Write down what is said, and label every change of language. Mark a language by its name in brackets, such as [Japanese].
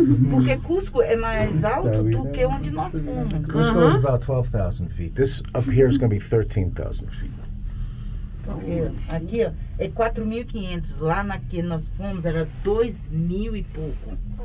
[Portuguese] Porque Cusco é mais alto do que onde nós fomos. [English] Cusco is about 12,000 feet. This up here is going to be 13,000 feet. [Portuguese] Aqui, ó, é 4,500. Lá na que nós fomos era 2,000 e pouco.